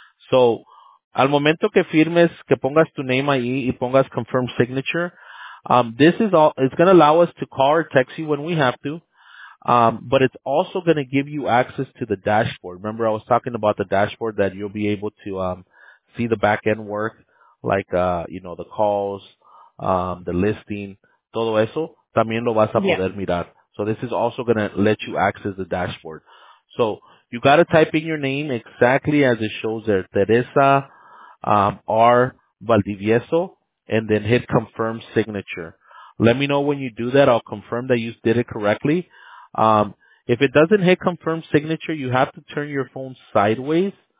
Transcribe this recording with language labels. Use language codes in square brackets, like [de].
[en] So, [es] al momento que firmes, que pongas tu name ahí y pongas [en] confirm signature, this is all, it's going to allow us to call or text you when we have to. But it's also going to give you access to the dashboard. Remember, I was talking about the dashboard that you'll be able to, see the back end work. Like, you know, the calls, the listing, [es] todo eso, también lo vas a poder mirar. [en] So this is also going to let you access the dashboard. So you got to type in your name exactly as it shows there, Teresa R. Valdivieso, and then hit confirm signature. Let me know when you do that. I'll confirm that you did it correctly. If it doesn't hit confirm signature, you have to turn your phone sideways.